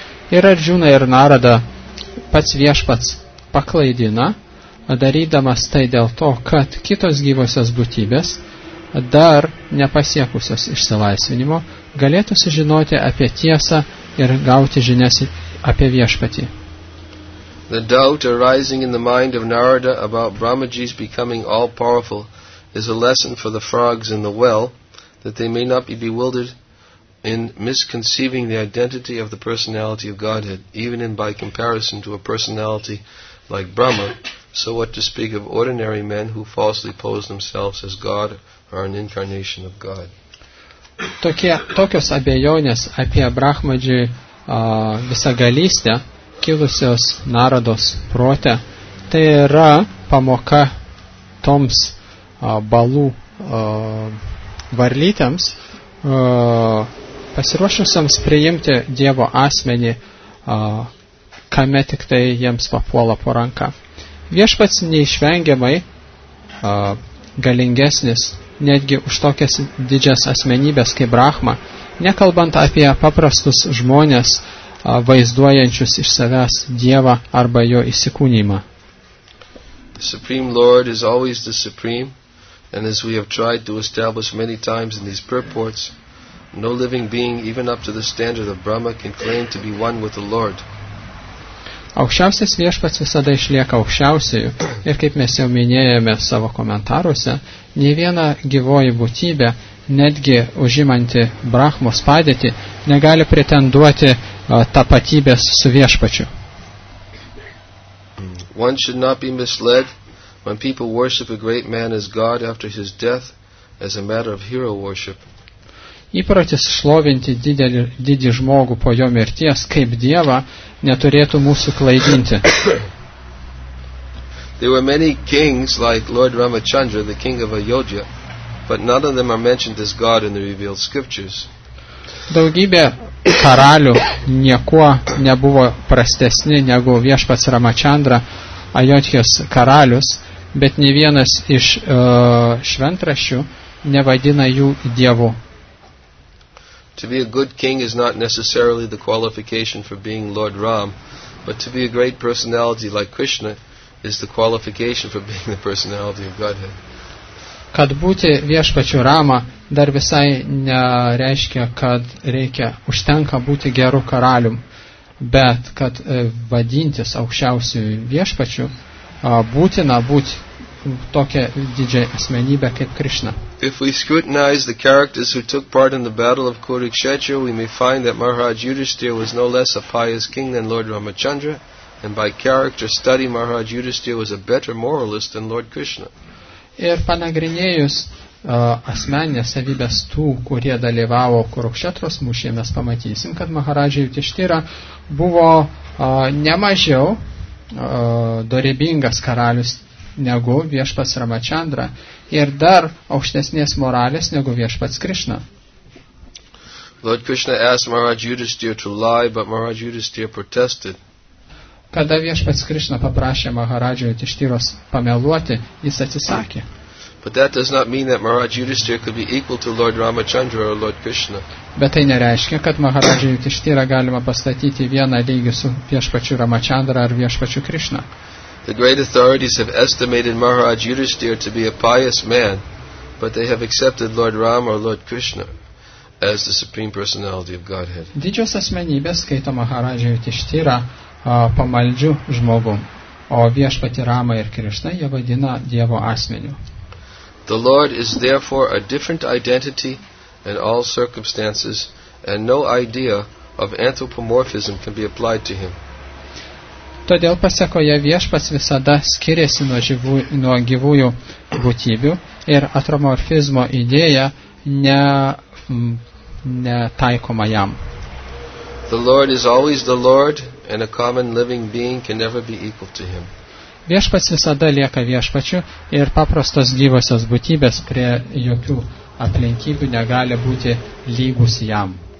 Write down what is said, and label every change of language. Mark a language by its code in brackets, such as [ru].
[lt] Ir Arjuna ir Narada pats viešpats paklaidina, darydamas tai dėl to, kad kitos gyvosios būtybės, dar nepasiekusios išsilaisvinimo, galėtų sužinoti apie tiesą ir gauti žinias apie viešpatį. [en] The doubt arising in the mind of Narada about Brahmaji's becoming all-powerful is a lesson for the frogs in the well, that they may not be bewildered in misconceiving the identity of the personality of Godhead, even in by comparison to a personality like Brahma, So what to speak of ordinary men who falsely pose themselves as God or an incarnation of God? [lt] Tokios abejonės apie Brahmadžių visagalystę kilusios Narados prote, tai yra pamoka toms balų varlytėms, pasiruošusiams priimti Dievo asmenį, kame tik tai jiems papuola po ranką. Viešpats neišvengiamai galingesnis netgi už tokias didžias asmenybės kaip Brahma, nekalbant apie paprastus žmonės, vaizduojančius iš savęs Dievą arba jo įsikūnymą. [en] The Supreme Lord is always the Supreme, and as we have tried to establish many times in these purports, no living being, even up to the standard of Brahma, can claim to be one with the Lord. [lt] Aukščiausias viešpats visada išlieka aukščiausiai, ir kaip mes jau minėjome savo komentaruose, nei viena gyvoji būtybė, netgi užimanti Brahmos padėtį, negali pretenduoti tapatybės su viešpačiu. [en] One should not be misled when people worship a great man as God after his death as a matter of hero worship. [lt] Įprotis šlovinti didį žmogų po jo mirties kaip dievą neturėtų mūsų klaidinti. [en] There were many kings like Lord Ramachandra, the king of Ayodhya, but none of them are mentioned as God in the revealed scriptures. [lt] Daugybė karalių niekuo nebuvo prastesni negu viešpats Ramachandra, Ajodhijos karalius, bet nei vienas iš šventrašių nevadina jų dievu. [en] To be a good king is not necessarily the qualification for being Lord Ram, but to be a great personality like Krishna is the qualification for being the personality of Godhead. [lt] Kad būti viešpačiu Rama dar visai nereiškia, kad reikia užtenka būti geru karalium, bet kad vadintis aukščiausiu viešpačiu, būtina būti tokia didžia asmenybė kaip Krishna. [en] If we scrutinize the characters who took part in the battle of Kurukshetra, we may find that Maharaj Yudhisthira was no less a pious king than Lord Ramachandra, and by character study Maharaj Yudhisthira was a better moralist than Lord Krishna. [lt] Ir panagrinėjus asmeninės savybės tų, kurie dalyvavo Kurukshetros mūšyje, mes pamatysim, kad Maharaj Yudhisthira buvo nemažiau dorybingas karalius negu viešpats Ramachandra ir dar aukštesnės moralės negu viešpats Krishna. [en] Lord Krishna asked Maharaj Yudhisthira to lie, but Maharaj Yudhisthira protested. [lt] Kada viešpats Krishna paprašė Maharaja Yudhisthiras pameluoti, jis atsisakė. [en] But that does not mean that Maharaj Yudhisthira could be equal to Lord Ramachandra or Lord Krishna. [lt] Bet tai nereiškia, kad Maharaja Yudhisthira galima pastatyti vieną lygį su viešpačiu Ramachandra ar viešpačiu Krishna. [en] The great authorities have estimated Maharaj Yudhisthira to be a pious man, but they have accepted Lord Ram or Lord Krishna as the supreme personality of Godhead. [lt] Didžios asmenybės skaito Maharaj Yudhisthira pamaldžiu žmogu, o viešpatį Ramą ir Krishna jie vadina Dievo asmeniu. [en] The Lord is therefore a different identity in all circumstances, and no idea of anthropomorphism can be applied to him. [lt] Todėl pasekoje viešpats visada skiriasi nuo gyvųjų būtybių ir antropomorfizmo idėja netaikoma jam. [en] The Lord is always the Lord, and a common living being can never be equal to him. [lt] Viešpats visada lieka viešpačiu ir paprastos gyvosios būtybės prie jokių aplinkybių negali būti lygus jam.